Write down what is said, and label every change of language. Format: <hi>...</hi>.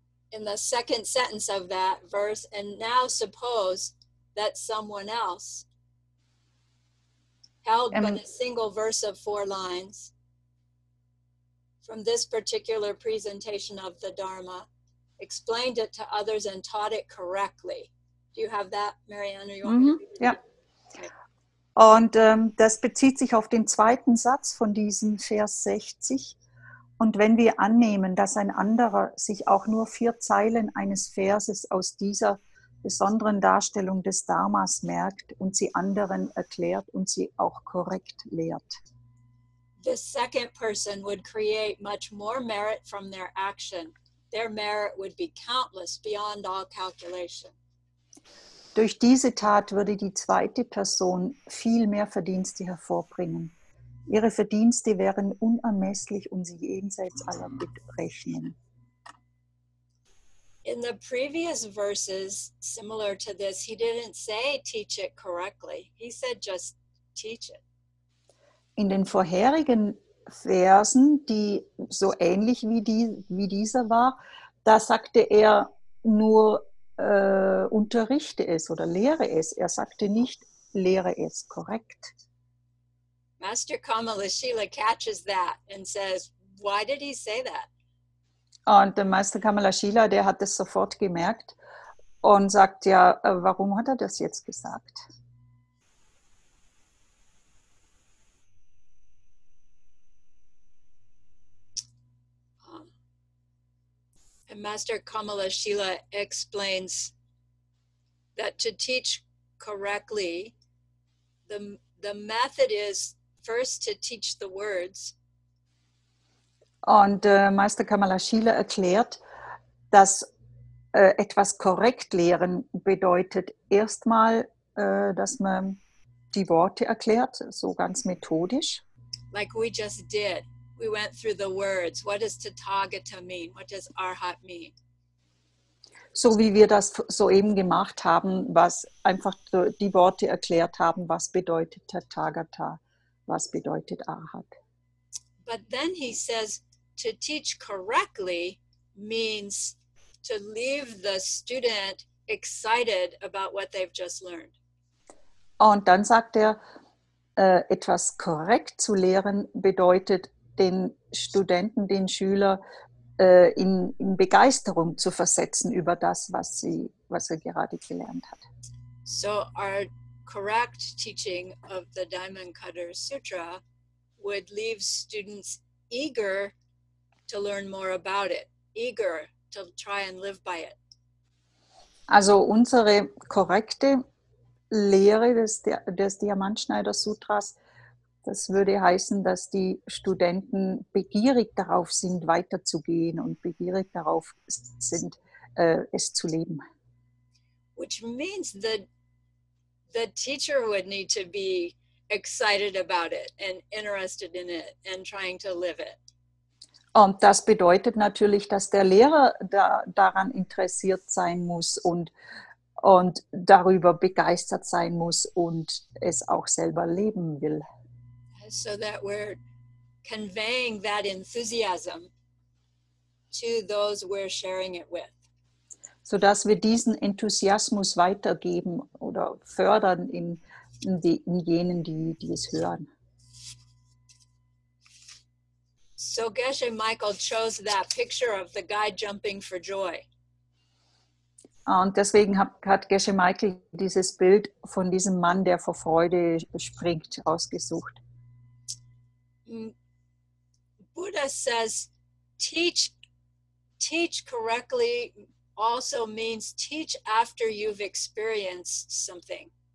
<en>In the second sentence of that verse, and now suppose that someone else held but a single verse of four lines from this particular presentation of the Dharma, explained it to others and taught it correctly. Do you have that, Marianne? You want me? Yeah.</en> <de>Und das bezieht sich auf den zweiten Satz von diesem Vers 60. Und wenn wir annehmen, dass ein anderer sich auch nur vier Zeilen eines Verses aus dieser besonderen Darstellung des Dharmas merkt und sie anderen erklärt und sie auch korrekt lehrt.</de> <en>The second person would create much more merit from their action. Their merit would be countless beyond all calculation.</en> <de>Durch diese Tat würde die zweite Person viel mehr Verdienste hervorbringen. Ihre Verdienste wären unermesslich und sie jenseits aller Berechnungen.</de> <en>In the previous verses, similar to this, he didn't say teach it correctly. He said just teach it.</en> <de>In den vorherigen Versen, die so ähnlich wie dieser war, da sagte er nur unterrichte es oder lehre es. Er sagte nicht, lehre es korrekt.</de> <en>Master Kamalashila catches that and says, why did he say that?</en> <de>Und der Meister Kamalashila, der hat das sofort gemerkt und sagt ja, warum hat er das jetzt gesagt?</de> <en>And Master Kamalashila explains that to teach correctly, the method is first to teach the words.</en> <de>Und Meister Kamalashila erklärt, dass etwas korrekt lehren bedeutet erstmal, dass man die Worte erklärt, so ganz methodisch.</de> <en>Like we just did. We went through the words. What does Tathagata mean? What does Arhat mean?</en> <de>So wie wir das soeben gemacht haben, was einfach die Worte erklärt haben, was bedeutet Tathagata, was bedeutet Arhat.</de> <en>But then he says, to teach correctly means to leave the student excited about what they've just learned.</en> <de>Und dann sagt er, etwas korrekt zu lehren bedeutet, den Studenten, den Schüler in Begeisterung zu versetzen über das, was er gerade gelernt hat.</de> <en>So our correct teaching of the Diamond Cutter Sutra would leave students eager to learn more about it, eager to try and live by it.</en> <de>Also unsere korrekte Lehre des Diamantschneider Sutras, das würde heißen, dass die Studenten begierig darauf sind, weiterzugehen und begierig darauf sind, es zu leben.</de> <en>Which means that the teacher would need to be excited about it and interested in it and trying to live it.</en> <de>Und das bedeutet natürlich, dass der Lehrer daran interessiert sein muss und darüber begeistert sein muss und es auch selber leben will.</de> <en>So that we're conveying that enthusiasm to those we're sharing it with.</en> <de>So dass wir diesen Enthusiasmus weitergeben oder fördern in jenen, die es hören.</de> <en>So Geshe Michael chose that picture of the guy jumping for joy.</en> <de>Und deswegen hat Geshe Michael dieses Bild von diesem Mann, der vor Freude springt, ausgesucht.</de> <en>Buddha says, teach correctly also means teach after you've experienced something.</en>